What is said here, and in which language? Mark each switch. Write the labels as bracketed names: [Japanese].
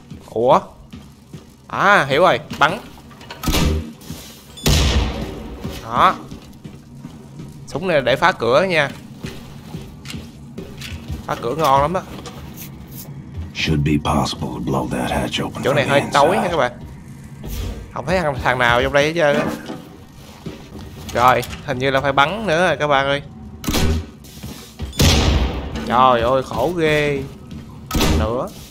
[Vietnamese] Ủa? À, hiểu rồi, bắn. Đó. Súng này là để phá cửa nha. Phá cửa ngon lắm đó. [English] Should be possible to blow that hatch open. [Vietnamese] Chỗ này hơi tối nha các bạn. Không thấy thằng nào trong đây hết trơn á. Rồi, hình như là phải bắn nữa rồi các bạn ơi. Trời ơi, khổ ghê. Nữa.